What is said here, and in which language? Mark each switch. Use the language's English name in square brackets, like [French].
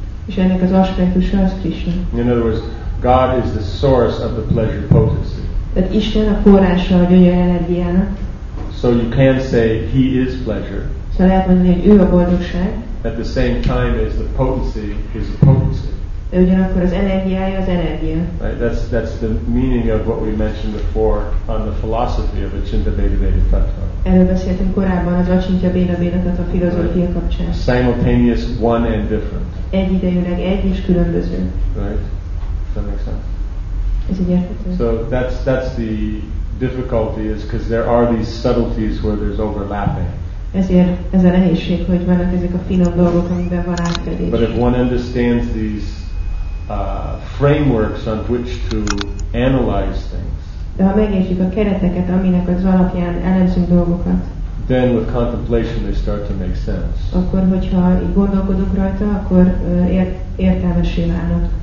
[Hungarian] És ennek az aspektusa az Krishna. [English] In other words, God is the source of the pleasure potency. [Hungarian] Tehát Isten a forrása a gyönyör energiának. [English] So you can say he is pleasure. [Hungarian] Szóval lehet mondani, hogy ő a boldogság. [English] At the same time as the potency is the potency. [Hungarian] De ugyanakkor az energiája az energia. [English] Right, that's the meaning of what we mentioned before on the philosophy of Acintabhedavaita Tattva. [Hungarian] Erről beszéltünk korábban az Acintabhedavaita Tattva filozófia kapcsán. [English] Simultaneous, one and different. [Hungarian] Egyidejűleg egy és különböző. [English] Right? Does that make sense? [Hungarian] Ez egy érthető. [English] So that's the difficulty is because there are these subtleties where there's overlapping. [Hungarian] Ezért ez a nehézség, hogy vannak ezek a finom dolgok, amiben van átfedés. [English] But if one understands these frameworks on which to analyze things, [Hungarian] de ha megértjük a kereteket, aminek az alapján elemzünk dolgokat, [English] then with contemplation they start to make sense. [Hungarian] Akkor, hogyha így gondolkodunk rajta, akkor értelmessé válnak.